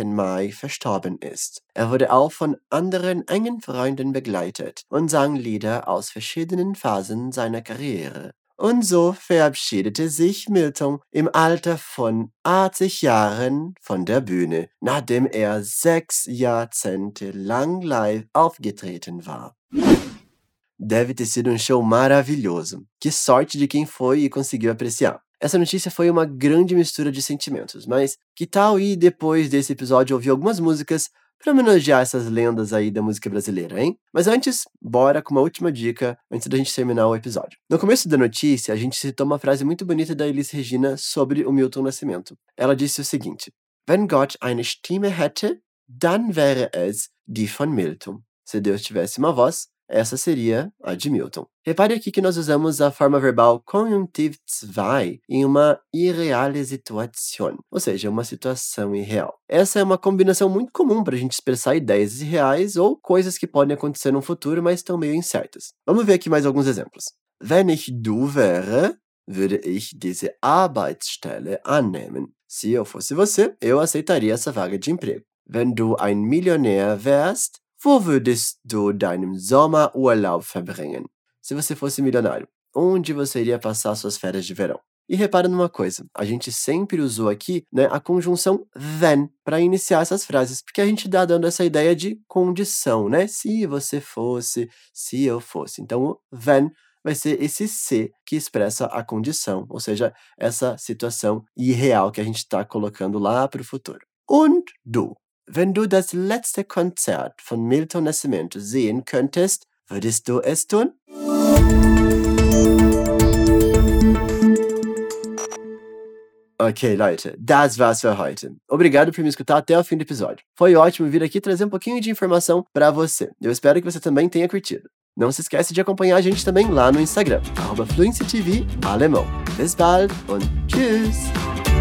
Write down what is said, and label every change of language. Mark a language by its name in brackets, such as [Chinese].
[German] Mai, verstorben ist. Er wurde auch von anderen engen Freunden begleitet und sang Lieder aus verschiedenen Phasen seiner Karriere. Und so verabschiedete sich Milton im Alter von 80 Jahren von der Bühne, nachdem er 6 Jahrzehnte lang live aufgetreten war. [Portuguese] Deve ter sido show maravilhoso. Que sorte de quem foi e conseguiu apreciar. Essa notícia foi uma grande mistura de sentimentos, mas que tal ir depois desse episódio ouvir algumas músicas para homenagear essas lendas aí da música brasileira, hein? Mas antes, bora com uma última dica antes da gente terminar o episódio. No começo da notícia, a gente citou uma frase muito bonita da Elis Regina sobre o Milton Nascimento. Ela disse o seguinte: [German] Wenn Gott eine Stimme hätte, dann wäre es die von Milton. [Portuguese] Se Deus tivesse uma voz, essa seria a de Milton. Repare aqui que nós usamos a forma verbal Konjunktiv 2 em uma irreale Situation, ou seja, uma situação irreal. Essa é uma combinação muito comum para a gente expressar ideias irreais ou coisas que podem acontecer no futuro, mas estão meio incertas. Vamos ver aqui mais alguns exemplos. [German] Wenn ich du wäre, würde ich diese Arbeitsstelle annehmen. [Portuguese] Se eu fosse você, eu aceitaria essa vaga de emprego. [German] Wenn du ein Millionär wärst, wo würdest du deinen Sommerurlaub verbringen? [Portuguese] Se você fosse milionário, onde você iria passar suas férias de verão? E repara numa coisa, a gente sempre usou aqui, né, a conjunção wenn para iniciar essas frases, porque a gente dando essa ideia de condição, né? Se você fosse, se eu fosse. Então, o wenn vai ser esse se que expressa a condição, ou seja, essa situação irreal que a gente está colocando lá para o futuro. [German] Und du? Wenn du das letzte Konzert von Milton Nascimento sehen könntest, würdest du es tun? Okay, Leute, das war's für heute. [Portuguese] Obrigado por me escutar até o fim do episódio. Foi ótimo vir aqui trazer um pouquinho de informação pra você. Eu espero que você também tenha curtido. Não se esquece de acompanhar a gente também lá no Instagram, @fluencytv alemão. [German] Bis bald und tschüss!